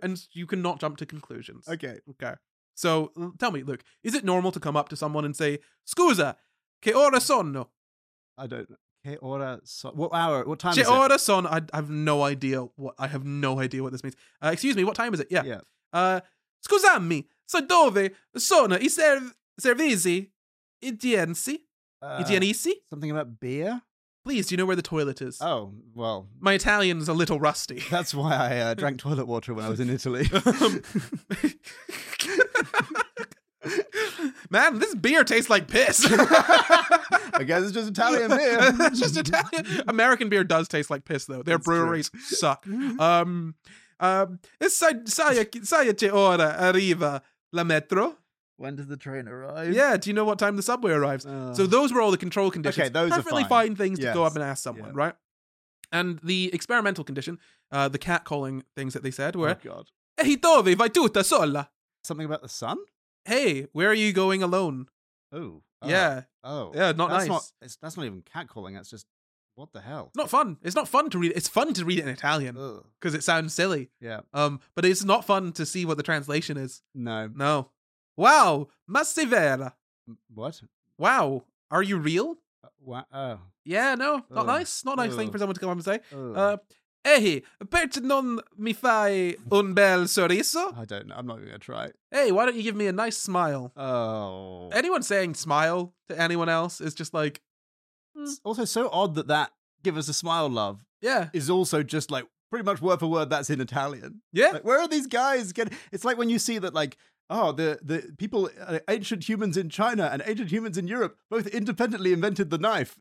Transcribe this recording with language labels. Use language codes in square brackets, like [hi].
[en] And you cannot jump to conclusions. Okay. Okay. So tell me, Luke, is it normal to come up to someone and say, [it] scusa, che ora sono? [en] I don't know. [it] Che ora sono? [en] What hour? What time [it] che [en] is it? [it] Che ora sono? [en] I have no idea what this means. Excuse me, what time is it? Yeah. Yeah. [it] Scusami, so dove sono i servizi idienzi? Idienisi? [en] Something about beer? Please, do you know where the toilet is? Oh, well. My Italian's a little rusty. That's why I drank toilet water when I was in Italy. Man, this beer tastes like piss. I guess it's just Italian beer. It's just Italian. American beer does taste like piss, though. Their breweries suck. [it] Sai che ora arriva la metro? [en] When does the train arrive? Yeah, do you know what time the subway arrives? So those were all the control conditions. Okay, those perfectly are fine things to go up and ask someone, right? And the experimental condition, the cat calling things that they said were, oh God. [it] Ehi dove vai tutta sola? [en] Something about the sun? Hey, where are you going alone? Oh. Yeah. Oh. Yeah, not that's nice. Not, it's, that's not even cat calling. That's just, what the hell? Not fun. It's not fun to read it. It's fun to read it in Italian because it sounds silly. Yeah. But it's not fun to see what the translation is. No. [it] No. Wow. Ma sei vera. [en] What? Wow. Are you real? Wow. Yeah, no. Not nice. Not nice thing for someone to come up and say. [it] Ehi, perché non mi fai un bel sorriso? [en] I don't know. I'm not going to try. Hey, why don't you give me a nice smile? Oh. Anyone saying smile to anyone else is just like... It's also so odd that that give us a smile, love. Yeah. Is also just like pretty much word for word that's in Italian. Yeah. Like, where are these guys getting... It's like when you see that like... Oh, the people, ancient humans in China and ancient humans in Europe both independently invented the knife.